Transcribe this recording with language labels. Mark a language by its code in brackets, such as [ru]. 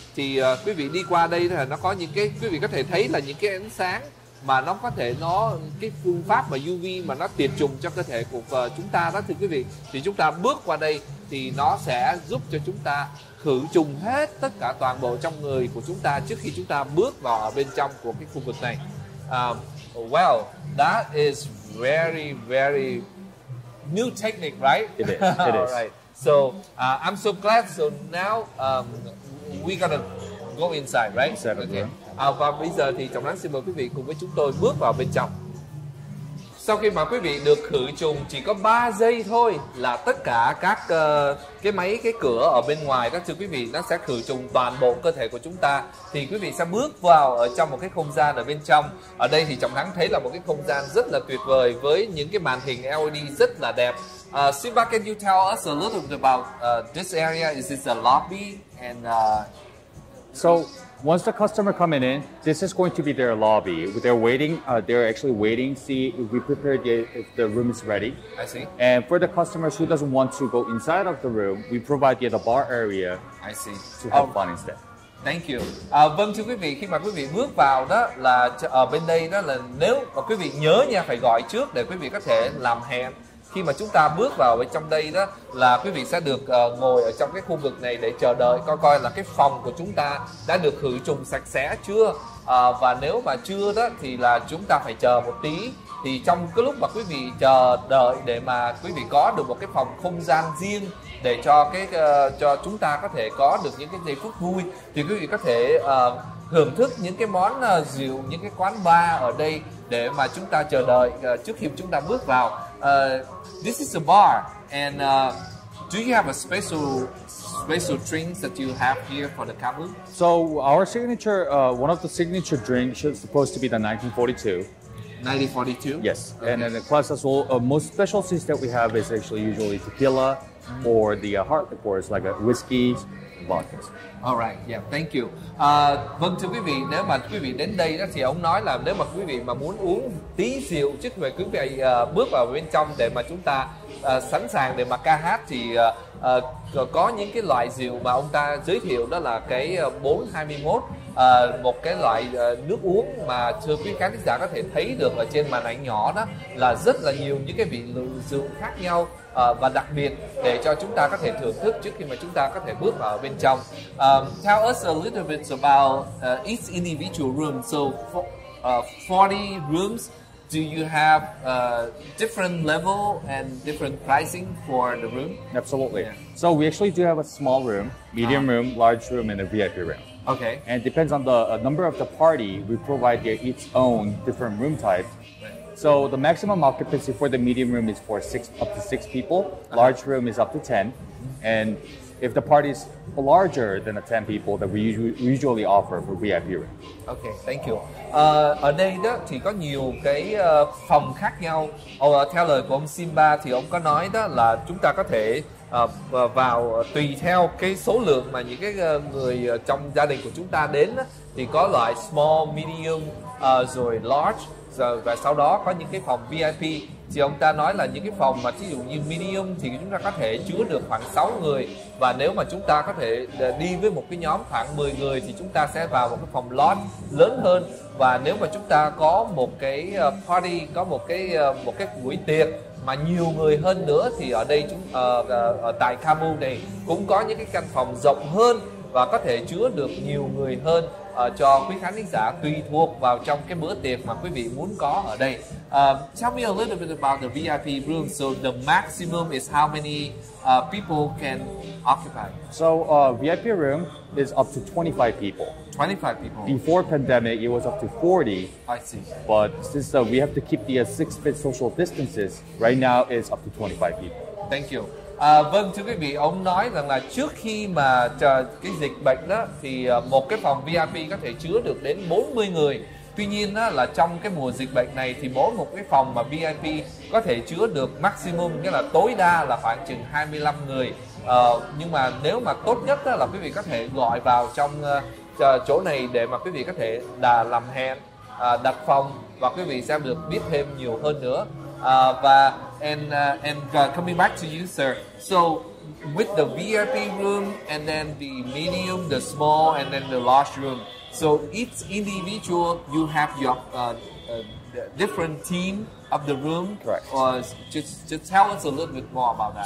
[vi] Thì quý vị đi qua đây là nó có những cái, quý vị có thể thấy là những cái ánh sáng mà nó có thể, nó cái phương pháp mà UV mà nó tiệt trùng cho cơ thể của chúng ta đó, thưa quý vị. Thì chúng ta bước qua đây thì nó sẽ giúp cho chúng ta khử trùng hết tất cả toàn bộ trong người của chúng ta trước khi chúng ta bước vào bên trong của cái khu vực này. [en] Well, that is very very new technique, right? It is. All right. So I'm so glad. So now we gotta go inside, right? Inside, okay. [vi] Và bây giờ thì Trọng Lắng xin mời quý vị cùng với chúng tôi bước vào bên trong. Sau khi mà quý vị được khử trùng chỉ có 3 giây thôi là tất cả các cái máy, cái cửa ở bên ngoài đó, thưa quý vị, nó sẽ khử trùng toàn bộ cơ thể của chúng ta. Thì quý vị sẽ bước vào ở trong một cái không gian ở bên trong. Ở đây thì Trọng Lắng thấy là một cái không gian rất là tuyệt vời với những cái màn hình LED rất là đẹp. [en] Simba, can you tell us a little about this area? Is this a lobby? And So once the customer coming in, this is going to be their lobby. They're waiting. They're actually waiting to see if we prepared if the room is ready. I see. And for the customers who doesn't want to go inside of the room, we provide the bar area. I see. To have fun instead. Thank you. [vi] Vâng, thưa quý vị, khi mà quý vị bước vào đó là ở bên đây đó là nếu mà quý vị nhớ nha, phải gọi trước để quý vị có thể làm hẹn. Khi mà chúng ta bước vào ở trong đây đó là quý vị sẽ được ngồi ở trong cái khu vực này để chờ đợi coi là cái phòng của chúng ta đã được khử trùng sạch sẽ chưa. Và nếu mà chưa đó thì là chúng ta phải chờ một tí. Thì trong cái lúc mà quý vị chờ đợi để mà quý vị có được một cái phòng không gian riêng để cho cái cho chúng ta có thể có được những cái giây phút vui, thì quý vị có thể hưởng thức những cái món rượu, những cái quán bar ở đây để mà chúng ta chờ đợi trước khi chúng ta bước vào. [en] This is a bar, and do you have a special drinks that you have here for the Kabu? So our signature, one of the signature drinks is supposed to be the 1942. 1942? Yes, okay. And then the class as well, most special things that we have is actually usually tequila, mm-hmm. or the hard liquors like a whiskey, vodka. All right, yeah, thank you. [vi] Vâng, thưa quý vị, nếu mà quý vị đến đây đó thì ông nói là nếu mà quý vị mà muốn uống tí rượu trước khi quý vị bước vào bên trong để mà chúng ta sẵn sàng để mà ca hát, thì có những cái loại rượu mà ông ta giới thiệu đó là cái 421, một cái loại nước uống mà thưa quý khán giả có thể thấy được ở trên màn ảnh nhỏ đó, là rất là nhiều những cái vị rượu khác nhau. Và đặc biệt để cho chúng ta có thể thưởng thức trước khi mà chúng ta có thể bước vào bên trong. [en] Tell us a little bit about each individual room. So 40 rooms, do you have different level and different pricing for the room? Absolutely. Yeah. So we actually do have a small room, medium room, large room and a VIP room. Okay. And it depends on the number of the party, we provide its own different room type. So the maximum occupancy for the medium room is for up to six people. Large room is up to 10. And if the party is larger than the 10 people, that we usually offer for VIP room. Okay, thank you. [vi] Ở đây đó thì có nhiều cái phòng khác nhau. Theo lời của ông Simba thì ông có nói đó là chúng ta có thể vào tùy theo cái số lượng mà những cái người trong gia đình của chúng ta đến đó, thì có loại small, medium, rồi large. Và sau đó có những cái phòng VIP, thì ông ta nói là những cái phòng mà ví dụ như medium thì chúng ta có thể chứa được khoảng 6 người, và nếu mà chúng ta có thể đi với một cái nhóm khoảng 10 người thì chúng ta sẽ vào một cái phòng lớn hơn. Và nếu mà chúng ta có một cái party, có một cái buổi tiệc mà nhiều người hơn nữa, thì ở đây chúng tại Kamu này cũng có những cái căn phòng rộng hơn và có thể chứa được nhiều người hơn cho quý khán giả, tùy thuộc vào trong cái bữa tiệc mà quý vị muốn có ở đây. [en] Tell me a little bit about the VIP room. So the maximum is how many people can occupy? So VIP room is up to 25 people. 25 people. Before pandemic, it was up to 40. I see. But since we have to keep the 6-foot social distances, right now it's up to 25 people. Thank you. [vi] Vâng, thưa quý vị, ông nói rằng là trước khi mà cái dịch bệnh đó thì một cái phòng VIP có thể chứa được đến 40 người. Tuy nhiên đó, là trong cái mùa dịch bệnh này thì mỗi một cái phòng mà VIP có thể chứa được maximum, nghĩa là tối đa là khoảng chừng 25 người. Nhưng mà nếu mà tốt nhất đó là quý vị có thể gọi vào trong chỗ này để mà quý vị có thể làm hẹn, đặt phòng, và quý vị sẽ được biết thêm nhiều hơn nữa. [en] And coming back to you, sir. So with the VIP room and then the medium, the small, and then the large room. So each individual, you have your different team of the room. Correct. Or just tell us a little bit more about that.